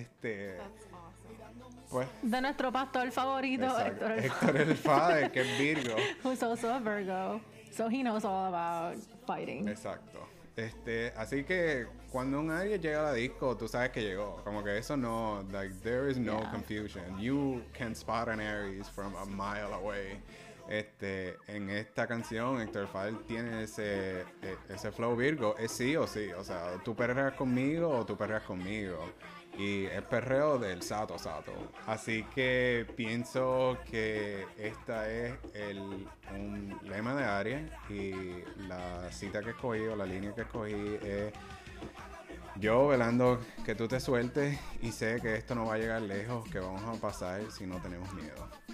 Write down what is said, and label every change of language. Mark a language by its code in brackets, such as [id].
[en] That's awesome. [es] Pues, de nuestro pastor favorito, Héctor el Fade, que es Virgo. [en] Who's also a Virgo. So he knows all about fighting. [es] Exacto. Así que cuando un Aries llega a la disco, tú sabes que llegó. Como que eso no, [en] there is no confusion. You can spot an Aries from a mile away. [es] En esta canción, Héctor Fadel tiene ese flow Virgo, es sí o sí, o sea, tú perreas conmigo o tú perreas conmigo. Y es perreo del sato. Así que pienso que esta es un lema de Aries y la cita que escogí o la línea que escogí es: yo velando que tú te sueltes y sé que esto no va a llegar lejos, que vamos a pasar si no tenemos miedo.